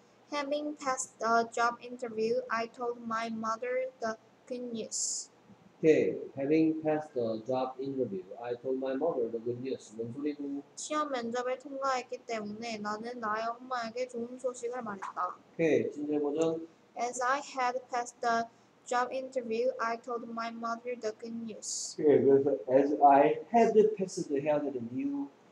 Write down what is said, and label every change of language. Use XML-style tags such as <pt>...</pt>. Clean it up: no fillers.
<en>having passed the job interview, I told my mother the good news. Okay. Having passed the job interview, I told my mother the good news.</en> <ko>뭔 소리고? 시험 면접을 통과했기 때문에 나는 나의 엄마에게 좋은 소식을 말했다. Okay. 진짜 버전.</ko> <en>As I had passed the job interview, I told my mother the good news. Okay, as I had passed the head interview.</en>